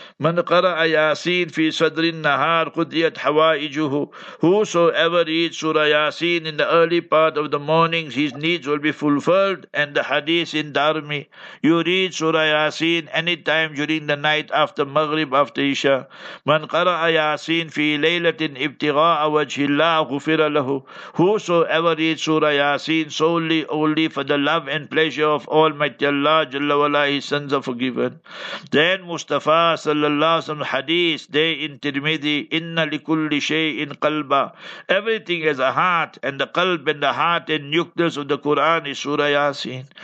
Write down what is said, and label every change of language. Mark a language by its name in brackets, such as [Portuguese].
[Arabic] Man qara'a Yasin fi sadrin nahar qudiyat hawaijuhu. [English] Whosoever reads Surah Yasin in the early part of the morning, his needs will be fulfilled. And the hadith in Darmi, you read Surah Yasin anytime during the night after Maghrib, after Isha. [Arabic] من قرأ ياسين في ليلة ابتغاء وجه الله غفر له. [English] Whosoever reads Surah Yasin solely only for the love and pleasure of Almighty Allah Jalla Wala, his sins are forgiven. Then Mustafa sallallahu alaihi wasallam hadith day in Tirmidhi, [Arabic] inna likulli shay'in qalba. [English] Everything has a heart, and the qalb and the heart and nucleus of the Quran is Surah Yasin.